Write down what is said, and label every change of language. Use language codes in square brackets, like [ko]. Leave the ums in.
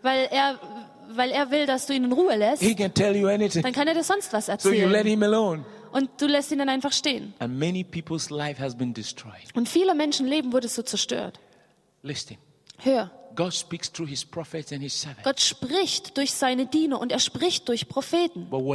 [de] er weil er will, dass du ihn in Ruhe lässt, dann kann er dir sonst was erzählen. So Und du lässt ihn dann einfach stehen. Und viele Menschenleben wurde so zerstört. [en] Listen. [de] Hör. [en] God speaks through his prophets and his servants. [de] Gott spricht durch seine Diener und er spricht durch Propheten.